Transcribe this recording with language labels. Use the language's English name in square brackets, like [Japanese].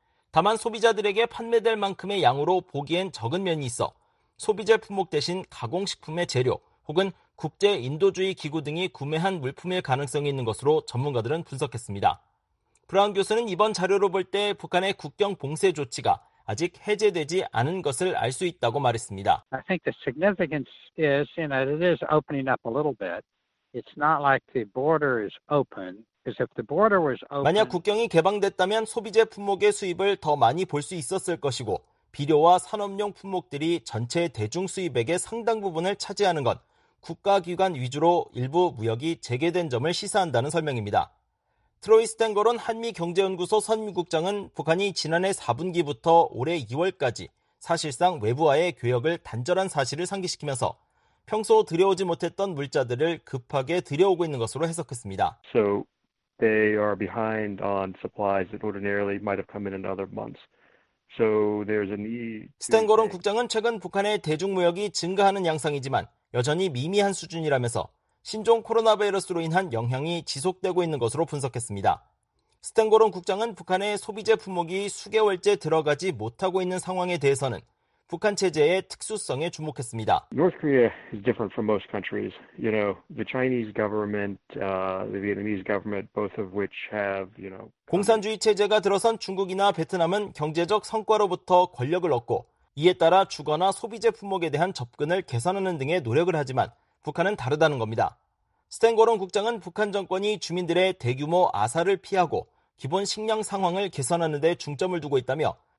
[Korean] 다만 소비자들에게 판매될 만큼의 양으로 보기엔 적은 면이 있어 소비재 품목 대신 가공식품의 재료 혹은 국제인도주의 기구 등이 구매한 물품일 가능성이 있는 것으로 전문가들은 분석했습니다. 브라운 교수는 이번 자료로 볼 때 북한의 국경 봉쇄 조치가 아직 해제되지 않은 것을 알 수 있다고 말했습니다. [English] I think the significance is in that it is opening up a little bit. It's not like the border is open. Because if the border was open, [Korean] 만약 국경이 개방됐다면 소비재 품목의 수입을 더 많이 볼 수 있었을 것이고 비료와 산업용 품목들이 전체 대중 수입액의 상당 부분을 차지하는 건 국가기관 위주로 일부 무역이 재개된 점을 시사한다는 설명입니다. 트로이 스탱거론 한미경제연구소 선임국장은 북한이 지난해 4분기부터 올해 2월까지 사실상 외부와의 교역을 단절한 사실을 상기시키면서 평소 들여오지 못했던 물자들을 급하게 들여오고 있는 것으로 해석했습니다. [English] So they are behind on supplies that ordinarily might have come in other months. So there's a need. [Korean] 스탱거론 국장은 최근 북한의 대중무역이 증가하는 양상이지만 여전히 미미한 수준이라면서 신종 코로나 바이러스로 인한 영향이 지속되고 있는 것으로 분석했습니다. 스탱거론 국장은 북한의 소비재 품목이 수개월째 들어가지 못하고 있는 상황에 대해서는 북한 체제의 특수성에 주목했습니다. [English] North Korea is different from most countries. You know, the Chinese government, the Vietnamese government, both of which have, you know. [Korean] 공산주의 체제가 들어선 중국이나 베트남은 경제적 성과로부터 권력을 얻고 이에 따라 주거나 소비재 품목에 대한 접근을 개선하는 등의 노력을 하지만 북한은 다르다는 겁니다. 스탱거론 국장은 북한 정권이 주민들의 대규모 아사를 피하고 기본 식량 상황을 개선하는 데 중점을 두고 있다며